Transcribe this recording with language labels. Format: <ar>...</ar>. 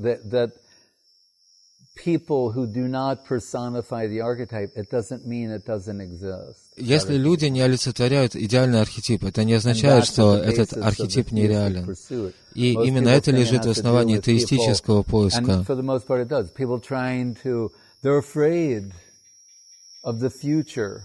<en>that people who do not personify the archetype, it doesn't mean it doesn't exist.</en> <ru>Если люди не олицетворяют идеальный архетип, это не означает, что этот архетип нереален. И именно это лежит в основании теистического поиска.</ru> <en>And for the most part, it does. People trying to, they're afraid of the future.</en>